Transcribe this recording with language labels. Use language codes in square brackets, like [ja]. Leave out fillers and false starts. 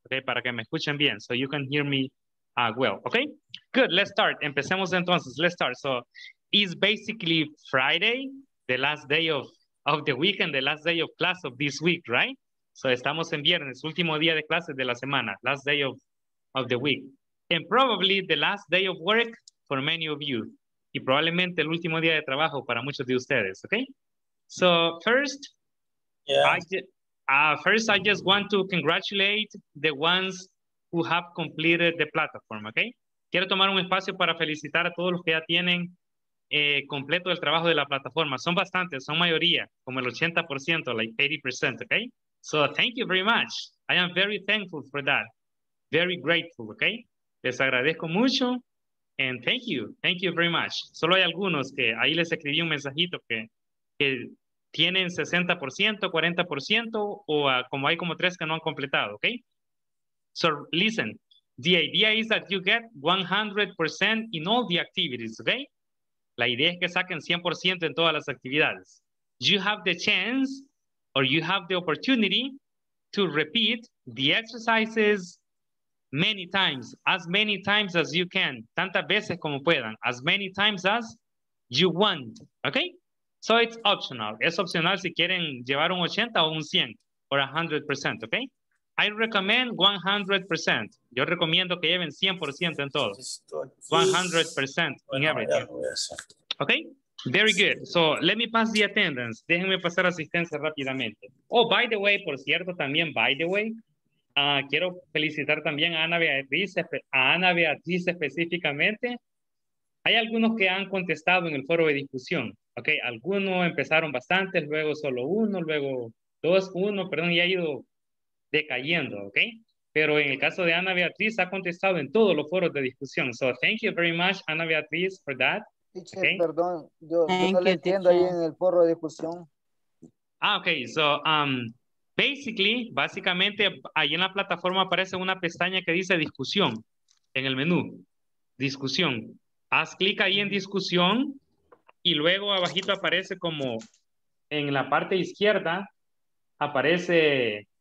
[en] Okay, [es] para que me escuchen bien. [en] So you can hear me well. Okay, good. Let's start. [es] Empecemos entonces. [en] Let's start. So it's basically Friday, the last day of the weekend, the last day of class of this week, right? [es] So estamos en viernes, último día de clases de la semana, [en] last day of the week. And probably the last day of work for many of you. [es] Y probablemente el último día de trabajo para muchos de ustedes, okay? [en] So first, yeah. I just want to congratulate the ones who have completed the platform, okay? [es] Quiero tomar un espacio para felicitar a todos los que ya tienen completo el trabajo de la plataforma. Son bastantes, son mayoría, como el 80%, [en] like 80%, [es] okay? [en] So thank you very much. I am very thankful for that. Very grateful, okay? [es] Les agradezco mucho. [en] And thank you very much. [es] Solo hay algunos que ahí les escribí un mensajito que tienen 60%, 40%, o como hay como tres que no han completado, okay? [en] So listen, the idea is that you get 100% in all the activities, okay? [es] La idea es que saquen 100% en todas las actividades. [en] You have the chance or you have the opportunity to repeat the exercises many times, as many times as you can, [es] tantas veces como puedan, [en] as many times as you want, okay? So it's optional. [es] Es opcional si quieren llevar un 80 o un 100 or 100%, okay? [en] I recommend 100%. [es] Yo recomiendo que lleven 100% en todo. [en] 100% in everything. Okay? Very good. So, let me pass the attendance. [es] Déjenme pasar asistencia rápidamente. [en] Oh, by the way, [es] por cierto, también, [en] by the way, [es] quiero felicitar también a Ana Beatriz, específicamente. Hay algunos que han contestado en el foro de discusión. Okay? Algunos empezaron bastante, luego solo uno, luego dos, uno, perdón, y ha ido decayendo, okay? Pero en el caso de Ana Beatriz, ha contestado en todos los foros de discusión. [en] So, thank you very much, Ana Beatriz, for that. Teacher, okay? [es] Perdón, yo no le entiendo ahí en el foro de discusión. [en] Ah, okay. So, basically, [es] básicamente, ahí en la plataforma aparece una pestaña que dice discusión, en el menú. Discusión. Haz clic ahí en discusión, y luego abajito aparece como, en la parte izquierda, aparece...